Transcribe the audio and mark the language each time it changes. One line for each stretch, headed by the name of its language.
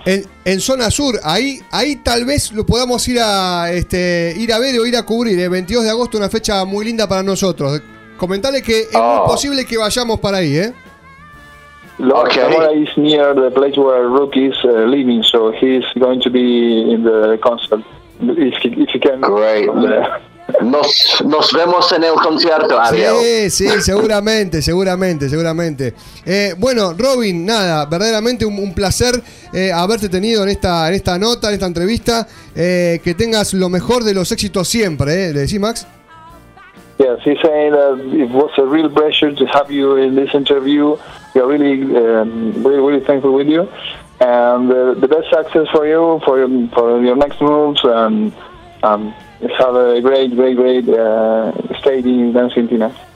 Spanish: En zona sur, ahí tal vez lo podamos ir a ver o ir a cubrir. 22 de agosto, una fecha muy linda para nosotros. Comentale que es muy posible que vayamos para ahí, ¿eh?
English: Zamora is near the place where Rook is living, so he's going to be in the concert. If you can. Great.
Spanish: Nos vemos en el concierto, Ariel. Sí, sí, seguramente. Bueno, Robin, nada, verdaderamente un placer haberte tenido en esta nota, en esta entrevista. Que tengas lo mejor de los éxitos siempre, ¿le decís, Max?
English: Yes, he's saying that it was a real pleasure to have you in this interview. We are really, really, really thankful with you. And the best success for you, for your next moves, and have a great, great, great stay in Argentina.